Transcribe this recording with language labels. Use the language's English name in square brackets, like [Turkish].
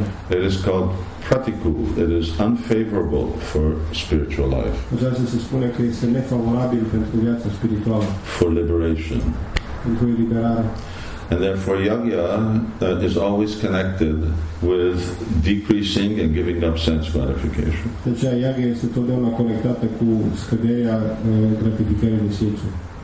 [English] It is called pratikul, it is unfavorable for spiritual life. [Romanian] Așa se spune că este nefavorabil pentru viața spirituală. [English] For liberation. [Romanian] Pentru eliberare. [English] And therefore yagya is always connected with decreasing and giving up sense gratification. [Romanian] Deci yagya este totdeauna conectată cu scăderea gratificării de simțuri.